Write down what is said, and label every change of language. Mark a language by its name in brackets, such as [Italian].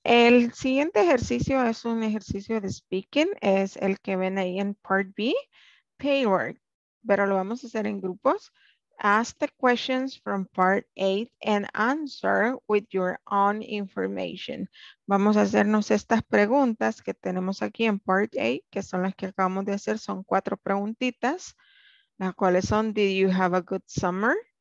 [Spanish] El siguiente ejercicio es un ejercicio de speaking. Es el que ven ahí en Part B, Paywork. Pero lo vamos a hacer en grupos. [English] Ask the questions from Part A and answer with your own information. [Spanish] Vamos a hacernos estas preguntas que tenemos aquí en Part A, que son las que acabamos de hacer. Son cuatro preguntitas. Las cuales son, [English] did you have a good summer?